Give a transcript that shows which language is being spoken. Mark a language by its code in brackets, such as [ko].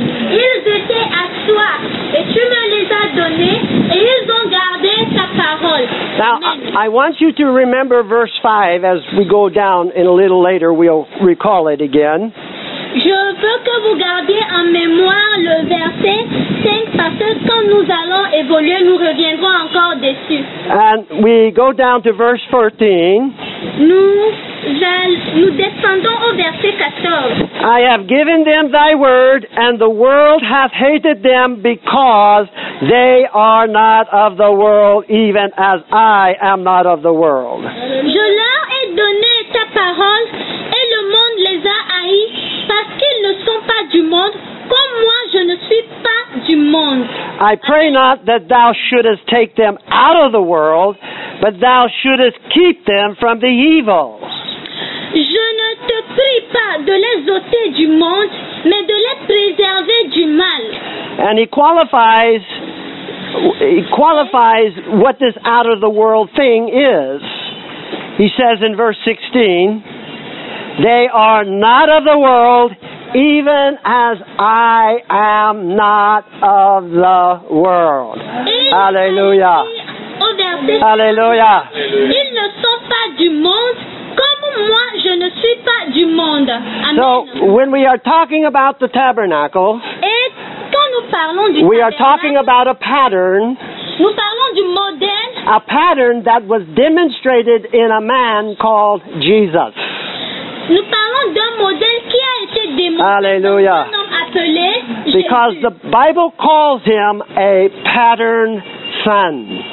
[fr] Ils étaient à toi, et tu me les as donnés, et ils ont gardé ta parole. [en] Now, I want you to remember verse 5 as we go down, and a little later we'll recall it again. [fr] Je veux que vous gardiez en mémoire le verset 5, parce que quand nous allons évoluer, nous reviendrons encore dessus. [en] And we go down to verse 14. [fr] Nous descendons au verset 14. [en] I have given them thy word, and the world hath hated them because they are not of the world, even as I am not of the world. [fr] Je leur ai donné ta parole, et le monde les a haïs parce qu'ils ne sont pas du monde, comme moi je ne suis pas du monde. [en] I pray not that thou shouldest take them out of the world, but thou shouldest keep them from the evil. [fr] Je ne te prie pas de les ôter du monde, mais de les préserver du mal. [en] And he qualifies what this out of the world thing is. He says in verse 16, they are not of the world, even as I am not of the world. [fr] Alléluia. Alléluia. Ils ne sont pas du monde, comme moi je ne suis pas du monde. [en] Amen. So, when we are talking about the tabernacle, [fr] et quand nous parlons du [en] we [fr] tabernacle, [en] are talking about a pattern. [fr] Nous parlons du modèle, [en] a pattern that was demonstrated in a man called Jesus. [fr] Nous parlons d'un modèle qui a été démontré dans un homme appelé Jésus. [en] Because the Bible calls him a pattern son.